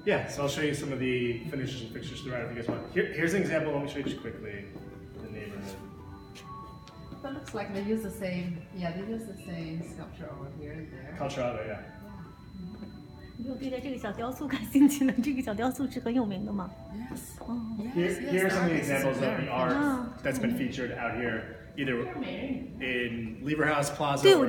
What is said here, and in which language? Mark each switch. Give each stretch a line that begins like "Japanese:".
English: So I'll show you some of the finishes and fixtures throughout if you guys want. Here's an example. Let me show you just quickly the neighborhood. That looks like they use the same, they use the same sculpture over here and there. Colorado, yeah.
Chinese: 你有对待这个小雕塑感兴趣呢？这个小雕塑是很有名的吗？
English: Yes. Here are some of the examples of the art that's been featured out here, either in Lieberhaus Plaza.